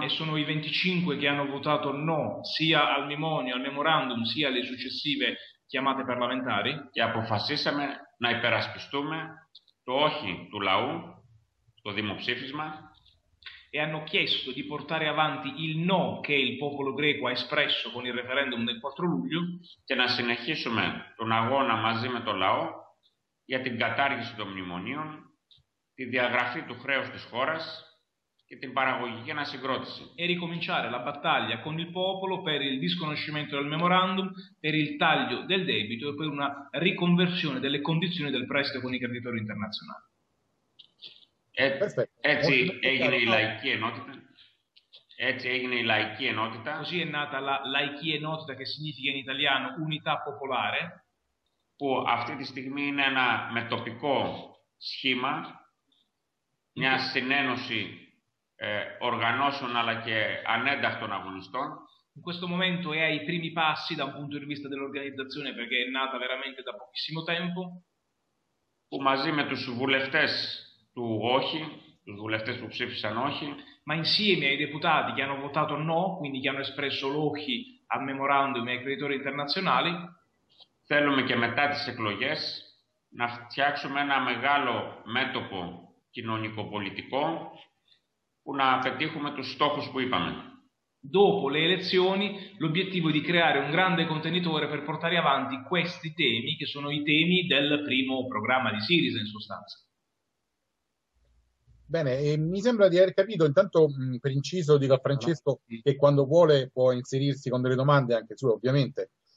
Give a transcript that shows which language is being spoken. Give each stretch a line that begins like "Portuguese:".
Italian: sono i 25 che hanno votato no sia al memorandum, sia alle successive chiamate parlamentari.
Greek: Και αποφασίσαμε να υπερασπιστούμε το όχι του λαού στο δημοψήφισμα.
Italian: E hanno chiesto di portare avanti il no che il popolo greco ha espresso con il referendum del 4 luglio.
Greek: Και να συνεχίσουμε τον αγώνα μαζί με τον λαό για την κατάργηση των μνημονίων, τη διαγραφή του χρέους της χώρας και την παραγωγική ανασυγκρότηση.
Italian: E ricominciare la battaglia con il popolo per il disconoscimento del memorandum, per il taglio del debito e per una riconversione delle condizioni del prestito con i creditori internazionali.
Greek: Έτσι
Italian: Perfetto. Molto, molto
Greek: έγινε η
Italian: chiaro.
Greek: λαϊκή ενότητα. Έτσι έγινε η λαϊκή ενότητα.
Italian: Così è nata la laicie notta, che significa in italiano unità popolare.
Greek: Που αυτή τη στιγμή είναι ένα μετοπικό σχήμα, μια συνένωση οργανώσεων αλλά και ανένταχτων αγωνιστών.
Italian: In questo momento è ai primi passi da un punto di vista dell'organizzazione perché è nata veramente da pochissimo tempo.
Greek: Που μαζί με τους βουλευτές του όχι, τους βουλευτές που ψήφισαν όχι,
Italian: Ma insieme ai deputati che hanno votato no, quindi che hanno espresso l'ohi al memorandum e ai creditori internazionali.
Greek: θέλουμε και μετά τις εκλογές να φτιάξουμε ένα μεγάλο μέτωπο κοινωνικοπολιτικό που να πετύχουμε τους στόχους που είπαμε.
Italian: Dopo le elezioni, l'obiettivo è di creare un grande contenitore per portare avanti questi temi, che sono i temi del primo programma di Syriza, in sostanza. Bene, e mi sembra di aver capito, intanto per inciso dico a Francesco che quando vuole può inserirsi con delle domande anche sue, ovviamente.